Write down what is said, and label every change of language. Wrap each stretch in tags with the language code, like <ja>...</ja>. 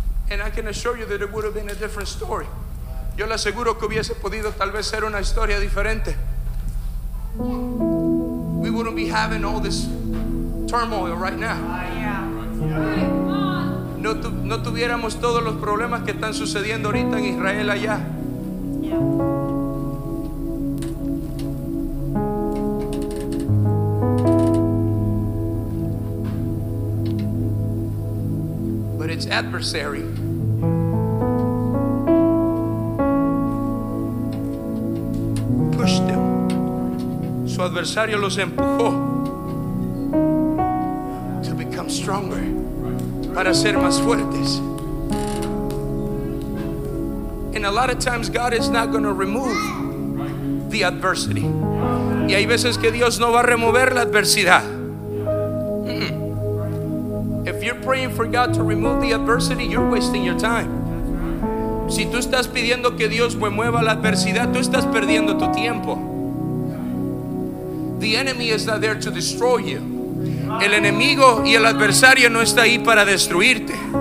<en>And I can assure you that it would have been a different story.</en> <es>Yo le aseguro que hubiese podido tal vez ser una historia diferente.</es> <en>We wouldn't be having all this turmoil right now.</en> <es>No tuviéramos todos los problemas que están sucediendo ahorita en Israel allá.</es> <en>But it's adversary.</en> <es>Su adversario los empujó</es> <en>to become stronger,</en> <es>para ser más fuertes.</es> <en>And a lot of times God is not going to remove the adversity.</en> <es>Y hay veces que Dios no va a remover la adversidad.</es> <en>If you're praying for God to remove the adversity, you're wasting your time.</en> <es>Si tú estás pidiendo que Dios remueva la adversidad, tú estás perdiendo tu tiempo.</es> <en>The enemy is not there to destroy you.</en> <es>El enemigo y el adversario no está ahí para destruirte.</es>